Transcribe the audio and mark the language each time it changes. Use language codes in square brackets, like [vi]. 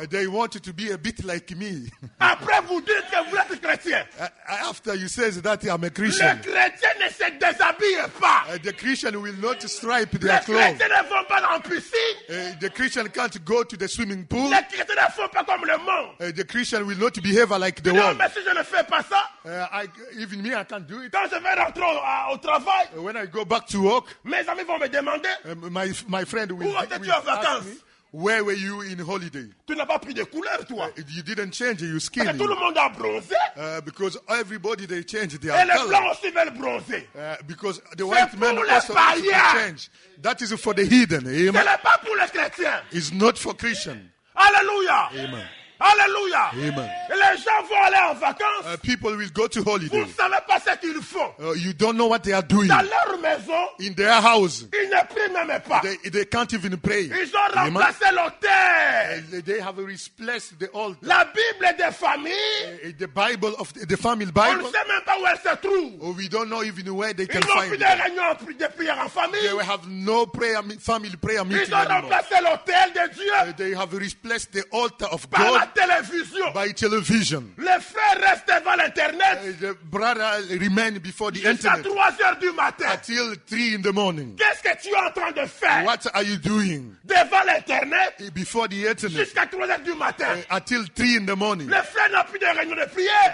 [en] They wanted to be a bit like me. [fr] Après vous dites que vous êtes chrétien. [en] After you say that I'm a Christian. [fr] Le chrétien ne se déshabille pas. [en] The Christian will not stripe [fr] les [en] their clothes. [fr] Les chrétiens ne vont pas dans la piscine. [en] The Christian can't go to the swimming pool. [fr] Les chrétiens ne font pas comme le monde. [en] The Christian will not behave like the [fr] non, [en] world. [fr] Mais si je ne fais pas ça, [en] even me, I can't do it. [fr] Quand je vais rentrer au travail, [en] when I go back to work, [fr] mes amis vont me demander, [en] my friend will, [fr] où étais-tu en vacances? [en] Where were you in holiday? [fr] Tu n'as pas pris de couleur, toi. [en] You didn't change your skin. [fr] Parce que tout le monde a bronzé. [en] Because everybody they changed their [fr] et [en] color. [fr] Et les blancs aussi veulent bronzer. [en] Because the [fr] c'est [en] white men also want to change. That is for the heathen. Amen. [fr] Ce n'est pas pour les chrétiens. [en] It's not for Christian. Alléluia. Amen. Alléluia. Amen. [fr] Et les gens vont aller en vacances. [en] People will go to holiday. [fr] Vous ne savez pas ce qu'ils font. [en] You don't know what they are doing. [fr] Dans leur maison. [en] In their house. [fr] Ils ne prient même pas. [en] They can't even pray. [fr] Ils ont remplacé l'autel. [en] They have replaced the altar. [fr] La Bible des familles. [en] The Bible of the family Bible. [fr] On ne sait même pas où elle se trouve. [en] We don't know even where they [fr] ils [en] can find. [fr] Ils n'ont plus de réunion de prière en famille. [en] They have no prayer family prayer meeting. [fr] Ils ont remplacé l'autel de Dieu. [en] They have replaced the altar of [fr] par [en] God. [fr] Télévision. [en] By television. [fr] Le frère reste devant l'internet. [en] The brother remain before the internet. [fr] Jusqu'à 3h du matin. [en] Until 3 in the morning. [fr] Qu'est-ce que tu es en train de faire? [en] What are you doing? [fr] Devant l'internet. [en] Before the internet. [fr] Jusqu'à 3h du matin. [en] Until 3 in the morning. [fr] Le frère n'a plus de réunion de prière.